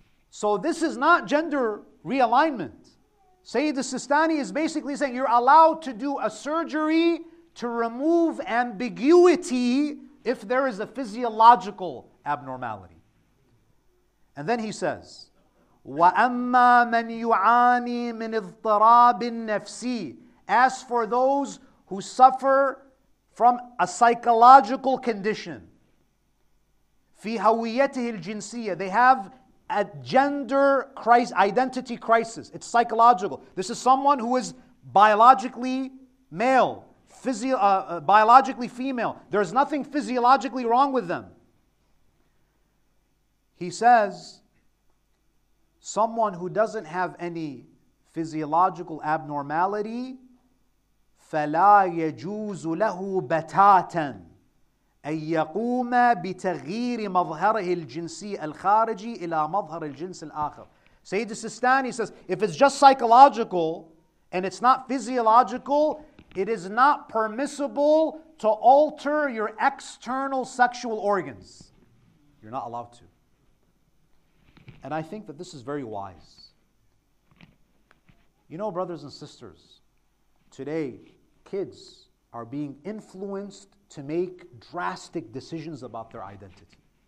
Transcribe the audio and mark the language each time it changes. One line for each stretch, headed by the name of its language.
English: So this is not gender realignment. Sayyid Sistani is basically saying you're allowed to do a surgery to remove ambiguity if there is a physiological abnormality. And then he says,
Arabic: وَأَمَّا مَنْ يُعَانِي مِنْ اضْطَرَابِ النَّفْسِي.
English: As for those who suffer from a psychological condition,
Arabic: فِي هَوِيَّتِهِ الْجِنْسِيَّةِ,
English: they have a gender crisis, identity crisis. It's psychological. This is someone who is biologically male, biologically female. There's nothing physiologically wrong with them. He says, someone who doesn't have any physiological abnormality,
Arabic: فَلَا يَجُوزُ لَهُ بَتَاتًا أَن يَقُومَ بِتَغْيِيرِ مَظْهَرِهِ الْجِنْسِي الْخَارِجِي إِلَى مَظْهَرِ الْجِنْسِ الْآخِرِ.
English: Sayyid Sistani says, if it's just psychological and it's not physiological, it is not permissible to alter your external sexual organs. You're not allowed to. And I think that this is very wise. You know, brothers and sisters, today kids are being influenced to make drastic decisions about their identity.